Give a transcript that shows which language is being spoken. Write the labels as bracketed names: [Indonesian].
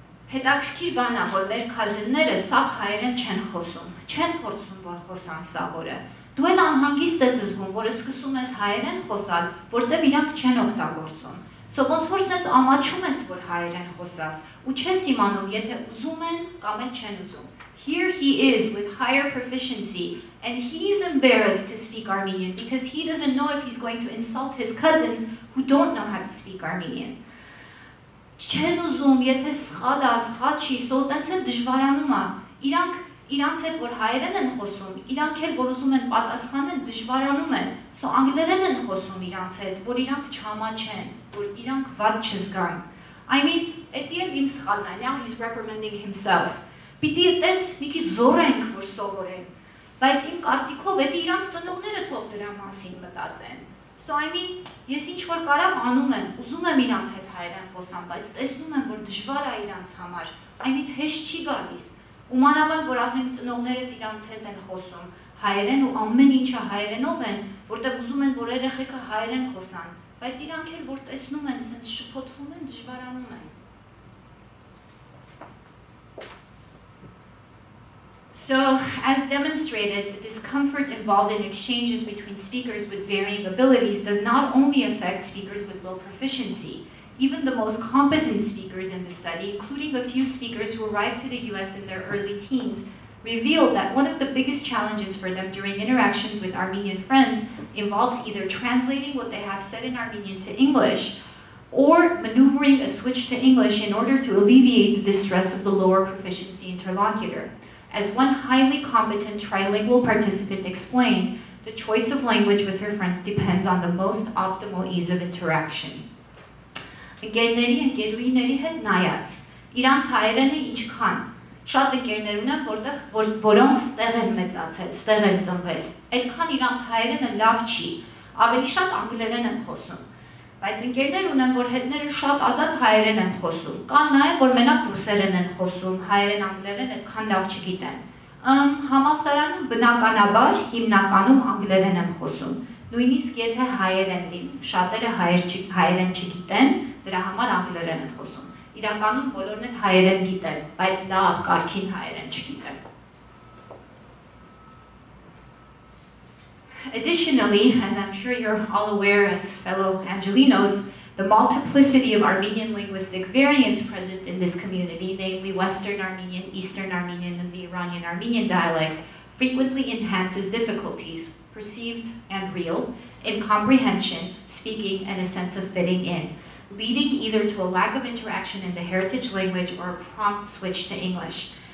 [Armenian] Հետաքրքիր բան է, որ մեր քազինները սաղ հայերեն չեն խոսում, չեն փորձում, որ խոսան սաղորը։ Դու էլ անհանգիստ ես զգում, որ սկսում ես հայերեն խոսալ, որտեղ իրանք չեն օգտագործում։ Սո ոնց որ սենց ամաչում ես, որ հայերեն խոսաս, ու չես իմանում, եթե ուզում են կամ էլ չեն ուզում։ [English] Here he is with higher proficiency, and he's embarrassed to speak Armenian because he doesn't know if he's going to insult his cousins who don't know how to speak Armenian. [Armenian] Չեն ուզում, եթե սխալ ա, սխալ չի, սոտենց էլ դժվարանում ա, իրանց հետ, որ հայերեն են խոսում, իրանք էլ, որ ուզում են պատասխանեն, դժվարանում են, սո անգլերեն են խոսում իրանց հետ, որ իրանք չամաչեն, որ իրանք վատ չզգան։ [English] I mean, [Armenian] էդի էլ իմ սխալն ա, [English] now he's reprimanding himself, [Armenian] պիտի էտենց մի քիչ զորենք, որ սովորեն, բայց իմ կարծիքով էդի իրանց ծնողները թող դրա մասին մտածեն։ [English] So I mean, [Armenian] ես ինչ որ կարամ անում եմ, ուզում եմ իրանց հետ հայերեն խոսամ, բայց տեսնում եմ, որ դժվար է իրանց համար, [English] I mean, [Armenian] հեշտ չի գալիս, ու մանավանդ, որ ասենք ծնողներս իրանց հետ են խոսում, հայերեն ու ամեն ինչը հայերենով են, որտեղ ուզում են, որ երեխեքը հայերեն խոսան, բայց իրանք էլ, որ տեսնում են, սենց շփոթվում են, դժվարանում են։ [English] So, as demonstrated, the discomfort involved in exchanges between speakers with varying abilities does not only affect speakers with low proficiency. Even the most competent speakers in the study, including a few speakers who arrived to the US in their early teens, revealed that one of the biggest challenges for them during interactions with Armenian friends involves either translating what they have said in Armenian to English or maneuvering a switch to English in order to alleviate the distress of the lower proficiency interlocutor. As one highly competent trilingual participant explained, the choice of language with her friends depends on the most optimal ease of interaction. [Armenian] Ընկերների ընկերուհիների հետ նայած, իրանց հայերենը ինչքան, շատ ընկերներ ունեմ, որտեղ որոնք ստեղ են մեծացել, ստեղ են ծնվել։ Այդքան իրանց հայերենը լավ չի, ավելի շատ անգլերեն են խոսում։ Բայց ընկերներ ունեմ, որ հետները շատ ազատ հայերեն են խոսում։ Կան նաև, որ մենակ ռուսերեն են խոսում, հայերեն, անգլերեն այդքան լավ չգիտեն։ Համասարանում բնականաբար հիմնականում անգլերեն են խոսում։ Նույնիսկ եթե հայերեն լինի, շատերը հայերեն չգիտեն, դրա համար անգլերեն են խոսում։ Իրականում բոլորն էլ հայերեն գիտեն, բայց լավ կարգին հայերեն չգիտեն։ [English] Additionally, as I'm sure you're all aware as fellow Angelinos, the multiplicity of Armenian linguistic variants present in this community, namely Western Armenian, Eastern Armenian, and the Iranian Armenian dialects, frequently enhances difficulties, perceived and real, in comprehension, speaking, and a sense of fitting in, leading either to a lack of interaction in the heritage language or a prompt switch to English.